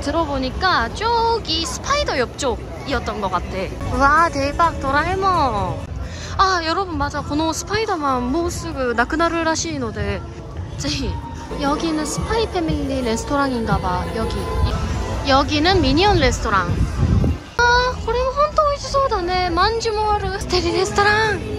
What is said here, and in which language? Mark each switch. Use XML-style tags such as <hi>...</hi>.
<ko>들어보니까 저기 스파이더 옆쪽이었던 것 같아. 와 대박 도라에몽. 아 여러분 맞아.</ko> <ja>この 스파이더만 もうすぐ なくなるらしいので.</ja> <ko>제이 여기는 스파이 패밀리 레스토랑인가봐. 여기 여기는 미니언 레스토랑.</ko> <ja>아 これも 本当美味しそうだね.</ja> <ko>만주모하루 스테리 레스토랑.</ko>